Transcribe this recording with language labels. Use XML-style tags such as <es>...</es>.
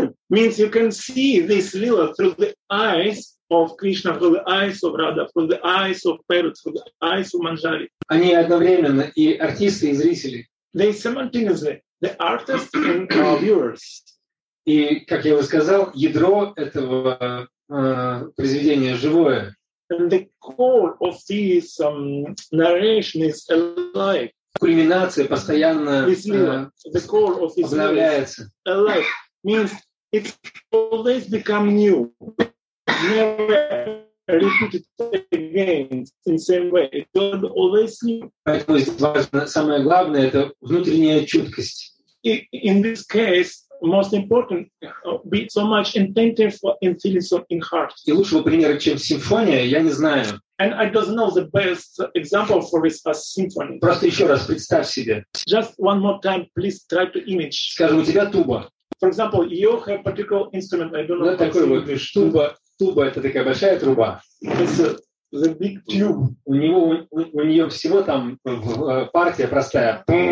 <en>Means you can see this lila through the eyes of Krishna, through the eyes of Radha, through the eyes of parrot, through the eyes of Manjari.</en> <ru>Они одновременно и артисты, и зрители.</ru> <en>They simultaneously the artist and the viewers.</en> <ru>И, как я уже сказал, ядро этого произведения живое.</ru> <en>And the core of this narration is alive.</en> <ru>Кульминация постоянно обновляется.</ru> <en>Alive means it always become new. Never repeated again in the same way. God always knew.</en> <ru>Самое главное — это внутренняя чуткость.</ru> <en>In this case, most important, be so much intentive in feelings or in heart.</en> <ru>И лучшего примера, чем симфония, я не знаю.</ru> <en>And I don't know the best example for this as symphony.</en> <ru>Просто еще раз представь себе.</ru> <en>Just one more time, please try to image.</en> <ru>Скажем, у тебя туба.</ru> <en>For example, you have a particular instrument. I don't know.</en> <ru>Ну, такой вот, видишь, туба. Туба — это такая большая труба.</ru> <en>It's the big tube.</en> <ru>У него, у нее всего там партия простая.</ru>